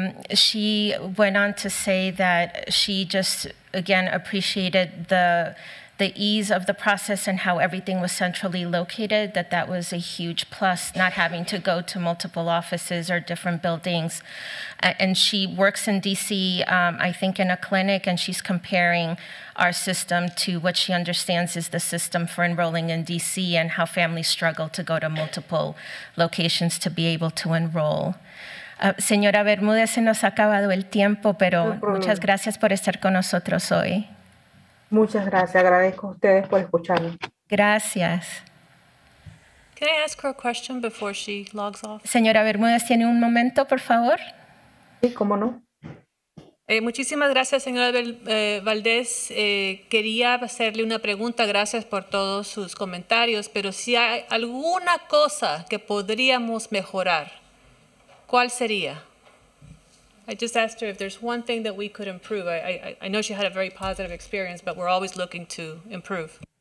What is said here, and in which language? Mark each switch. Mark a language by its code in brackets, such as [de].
[en] She went on to say that she just, again, appreciated the ease of the process and how everything was centrally located, that was a huge plus, not having to go to multiple offices or different buildings. And she works in DC, I think in a clinic, and she's comparing our system to what she understands is the system for enrolling in DC and how families struggle to go to multiple locations to be able to enroll. [es] Señora Bermúdez, se nos ha acabado el tiempo, pero muchas gracias por estar con nosotros hoy. Muchas gracias. Agradezco a ustedes por escucharme. Gracias. Can I ask her a question before she logs off? Señora Bermúdez, ¿tiene un momento, por favor? Sí, cómo no. Muchísimas gracias, señora Valdés. Quería hacerle una pregunta. Gracias por todos sus comentarios. Pero si hay alguna cosa que podríamos mejorar, ¿cuál sería? [en] I just asked her if there's one thing that we could improve. I know she had a very positive experience, but we're always looking to improve.